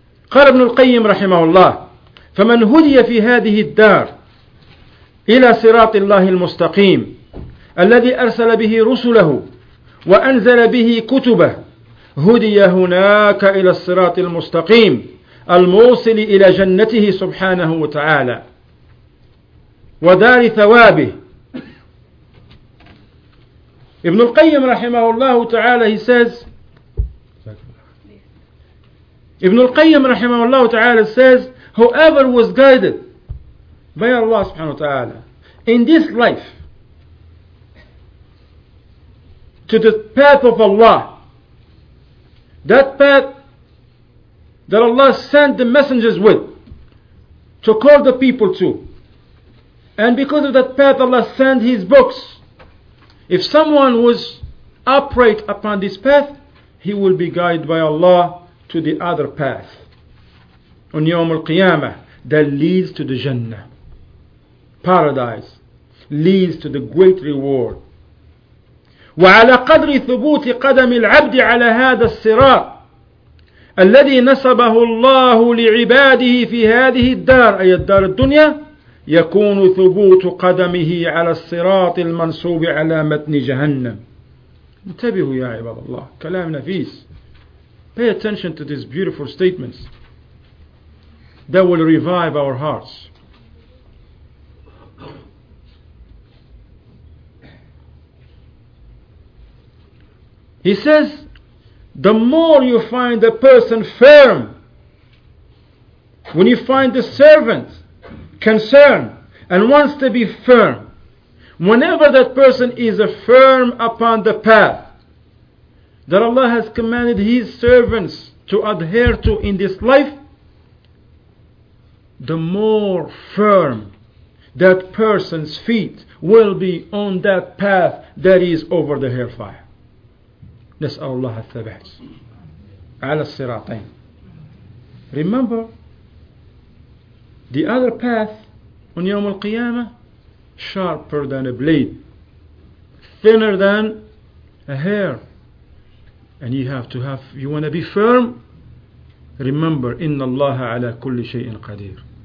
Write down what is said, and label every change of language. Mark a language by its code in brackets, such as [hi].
[ar] قال ابن القيم رحمه الله فمن هدي في هذه الدار إلى صراط الله المستقيم الذي أرسل به رسله وأنزل به كتبه هدي هناك إلى الصراط المستقيم الموصل إلى جنته سبحانه وتعالى ودار ثوابه. ابن القيم رحمه الله تعالى, [en] he says, ابن القيم رحمه الله تعالى says, whoever was guided by Allah [ar] سبحانه وتعالى [en] in this life to the path of Allah, that path that Allah sent the messengers with to call the people to, and because of that path Allah sent his books, if someone was upright upon this path, he will be guided by Allah to the other path on Yawm al-Qiyamah that leads to the Jannah. paradise leads to the great reward. [ar] وعلى قدر ثبوت قدم العبد على هذا الصراط الذي نسبه الله لعباده في هذه الدار أي الدار الدنيا يكون ثبوت قدمه على الصراط المنصوب على متن جهنم. انتبهوا يا عباد الله, كلام نفيس. [en] Pay attention to these beautiful statements that will revive our hearts. He says, the more you find a person firm, when you find the servant concerned and wants to be firm, whenever that person is firm upon the path that Allah has commanded His servants to adhere to in this life, the more firm that person's feet will be on that path that is over the hellfire. [ar] نسأل الله الثبات على الصراطين. [en] Remember, the other path on يوم القيامة sharper than a blade, thinner than a hair. And you have to have, you want to be firm, remember, [ar] إن الله على كل شيء قدير.